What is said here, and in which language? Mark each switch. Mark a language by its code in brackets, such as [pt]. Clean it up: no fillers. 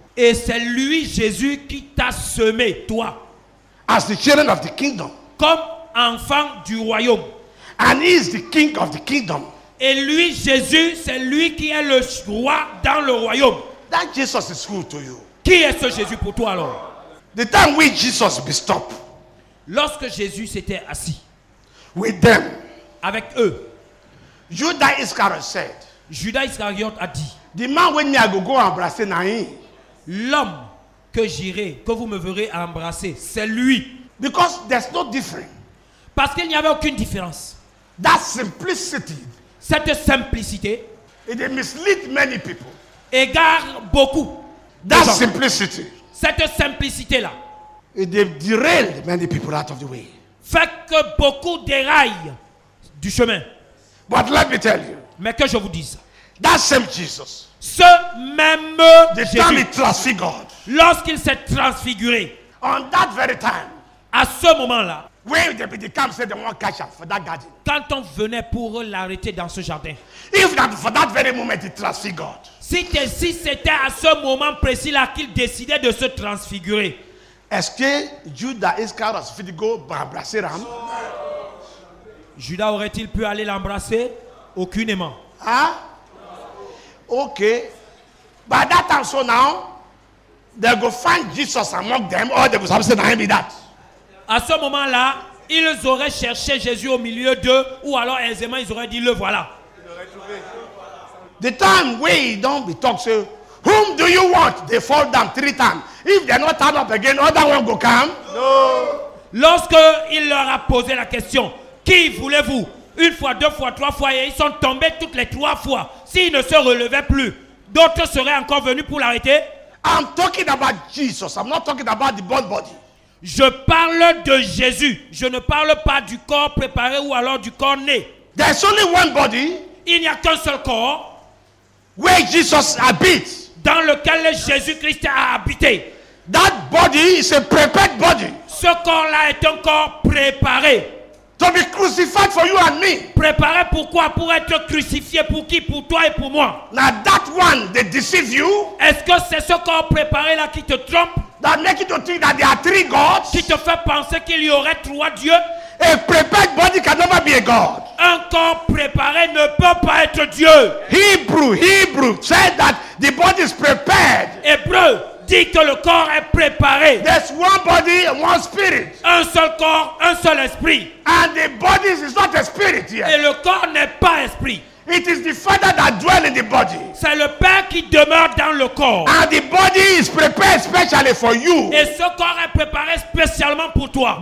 [fr] Et c'est lui, Jésus, qui t'a semé, toi. [en] As the children of the kingdom. [fr] Comme enfant du royaume. [en] And he is the king of the kingdom. [fr] Et lui, Jésus, c'est lui qui est le roi dans le royaume. [en] That Jesus is who to you? [fr] Qui est ce Jésus pour toi alors? [en] The time when Jesus be stopped. [fr] Lorsque Jésus s'était assis. [en] With them. [fr] Avec eux. [en] Judas Iscariot said. [fr] Judas Iscariot a dit. [en] The man when I go embrasser Naïm. [fr] L'homme que j'irai, que vous me verrez embrasser, c'est lui. [en] Because there's no difference. [fr] Parce qu'il n'y avait aucune différence. [en] That simplicity. [fr] Cette simplicité. [en] It mislead many people. [fr] Égare beaucoup. [en] That simplicity. [fr] Cette simplicité là. [en] It derail many people out of the way. [fr] Fait que beaucoup déraillent du chemin. [en] But let me tell you. [fr] Mais que je vous dise. [en] That same Jesus. [fr] Ce même [en] the [fr] Jésus, [en] time he transfigured, [fr] lorsqu'il s'est transfiguré, [en] on that very time, [fr] à ce moment-là, [en] when the camp said they want to catch up for that garden, [fr] quand on venait pour l'arrêter dans ce jardin, [en] if that for that very moment he transfigured, [fr] si c'était à ce moment précis là qu'il décidait de se transfigurer, est-ce que Judas Iscariot fit go embrasser Ram? Judas aurait-il pu aller l'embrasser? Aucunement. Ah? Hein? [en] Ok, by that time so now, they go find Jesus among them, or they go have said, I am that. [fr] À ce moment-là, ils auraient cherché Jésus au milieu d'eux, ou alors aisément ils auraient dit, le voilà. [en] The time where he don't be talk, so, whom do you want? They fall down three times. If they not turn up again, other one go come. No. [fr] Lorsque il leur a posé la question, qui voulez-vous? Une fois, deux fois, trois fois, et ils sont tombés toutes les trois fois. S'ils ne se relevaient plus, d'autres seraient encore venus pour l'arrêter. [en] I'm talking about Jesus. I'm not talking about the born body. [fr] Je parle de Jésus. Je ne parle pas du corps préparé ou alors du corps né. [en] There's only one body. [fr] Il n'y a qu'un seul corps. [en] Where Jesus habite. [fr] Dans lequel Jésus-Christ a habité. [en] That body is a prepared body. [fr] Ce corps-là est un corps préparé. [en] To be crucified for you and me. [fr] Préparé pour quoi? Pour être crucifié pour qui? Pour toi et pour moi. [en] Now that one, they deceive you. [fr] Est-ce que c'est ce corps préparé là qui te trompe? [en] That make you think that there are three gods. [fr] Qui te fait penser qu'il y aurait trois dieux? [en] A prepared body can never be a god. [fr] Un corps préparé ne peut pas être Dieu. [en] Hebrew said that the body is prepared. [fr] Hébreu dit que le corps est préparé. [en] There's one body, one spirit. [fr] Un seul corps, un seul esprit. [en] And the body is not a spirit yet. [fr] Et le corps n'est pas esprit. [en] It is the Father that dwells in the body. [fr] C'est le Père qui demeure dans le corps. [en] And the body is prepared specially for you. [fr] Et ce corps est préparé spécialement pour toi.